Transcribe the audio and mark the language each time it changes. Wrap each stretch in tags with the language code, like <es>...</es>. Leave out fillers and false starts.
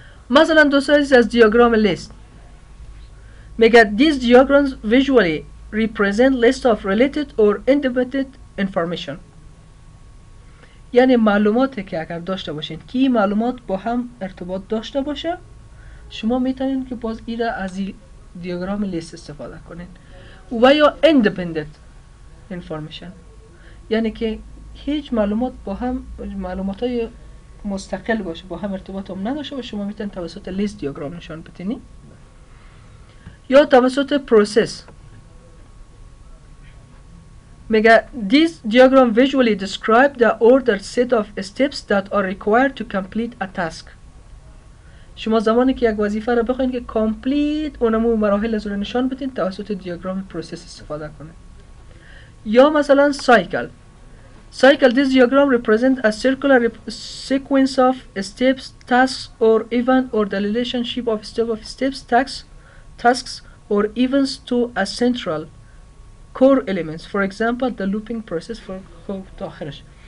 <fa>مثلا دوست عزیز از دیاگرام لیست میگه</fa> <en>these diagrams visually represent list of related or independent information،</en> <fa>یعنی معلوماتی که اگر داشته باشین که این معلومات با هم ارتباط داشته باشه شما میتونین که باز ایره از این دیاگرام لیست استفاده کنین، و یا independent information یعنی که هیچ معلومات با هم معلومات های مستقل باشه با هم ارتباط هم نداشته باشه شما میتونید توسط لیست دیاگرام نشان بتینی یا توسط پروسس. میگه</fa> <en>this diagram visually describe the ordered set of steps that are required to complete a task.</en> <fa>شما زمانی که یک وظیفه را بخواید که کامپلیت اونمو مراحل از رو نشان بتین توسط دیاگرام پروسس استفاده کنه. یا مثلا سایکل.</fa> <en>Cycle, this diagram represents a circular sequence of steps, tasks, or event, or the relationship of steps, tasks, or events to a central core elements. For example, the looping process for</en> <fa>خوب تا آخرش.</fa>